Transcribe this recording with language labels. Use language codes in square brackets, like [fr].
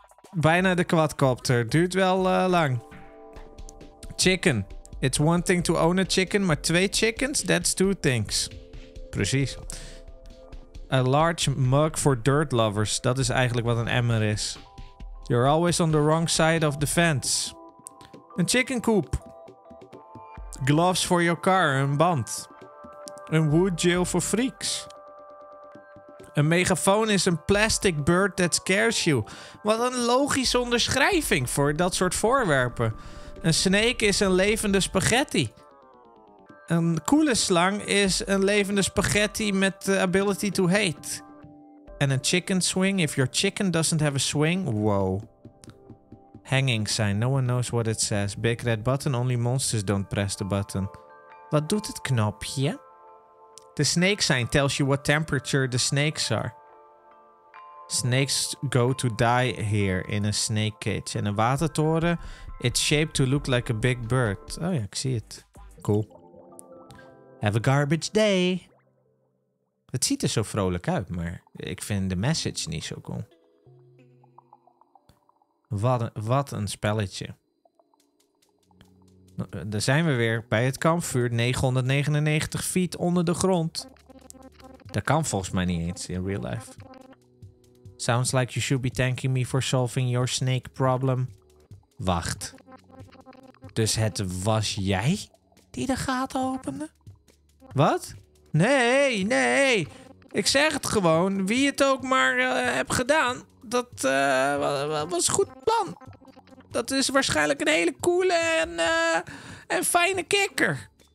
[nl] Bijna de quadcopter. Duurt wel lang. Chicken. [en] It's one thing to own a chicken, [nl] maar twee chickens? [en] That's two things. [nl] Precies. [en] A large mug for dirt lovers. [nl] Dat is eigenlijk wat een emmer is. [en] You're always on the wrong side of the fence. Een chicken coop. Gloves for your car. Een band. Een wood jail for freaks. [nl] Een megafoon is een [en] plastic bird that scares you. [nl] Wat een logische onderschrijving voor dat soort voorwerpen. Een snake is een levende spaghetti. Een koele slang is een levende spaghetti met [en] the ability to hate. En een chicken swing, if your chicken doesn't have a swing, wow. Hanging sign, no one knows what it says. Big red button, only monsters don't press the button. [nl] Wat doet het knopje? [en] The snake sign tells you what temperature the snakes are. Snakes go to die here in a snake cage. [nl] En een watertoren, [en] it's shaped to look like a big bird. [nl] Oh ja, ik zie het. Cool. [en] Have a garbage day. [nl] Het ziet er zo vrolijk uit, maar ik vind de message niet zo cool. Wat een spelletje. Daar zijn we weer bij het kampvuur. 999 feet onder de grond. Dat kan volgens mij niet eens in real life. [en] Sounds like you should be thanking me for solving your snake problem. [nl] Wacht. Dus het was jij die de gaten opende? Wat? Nee. Ik zeg het gewoon. Wie het ook maar hebt gedaan. Dat was een goed plan. Dat is waarschijnlijk een hele coole en fijne kikker.